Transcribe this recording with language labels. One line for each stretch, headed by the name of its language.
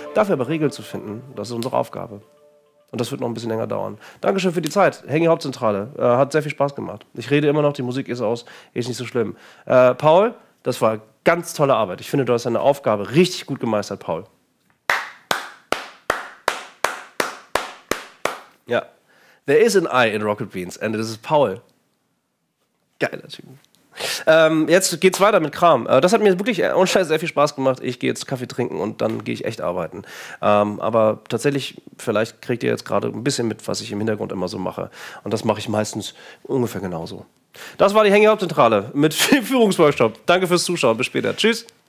German: Dafür aber Regeln zu finden, das ist unsere Aufgabe. Und das wird noch ein bisschen länger dauern. Dankeschön für die Zeit. Hänge Hauptzentrale. Hat sehr viel Spaß gemacht. Ich rede immer noch, die Musik ist aus, ist nicht so schlimm. Paul, das war ganz tolle Arbeit. Ich finde, du hast deine Aufgabe richtig gut gemeistert, Paul. Ja.
English: There is an I in Rocket Beans and this is Paul.
German: Geiler Typ. Jetzt geht's weiter mit Kram. Das hat mir wirklich ohne Scheiß sehr viel Spaß gemacht. Ich gehe jetzt Kaffee trinken und dann gehe ich echt arbeiten. Aber tatsächlich, vielleicht kriegt ihr jetzt gerade ein bisschen mit, was ich im Hintergrund immer so mache. Und das mache ich meistens ungefähr genauso. Das war die Hänge Hauptzentrale mit Führungsworkshop. Danke fürs Zuschauen. Bis später. Tschüss.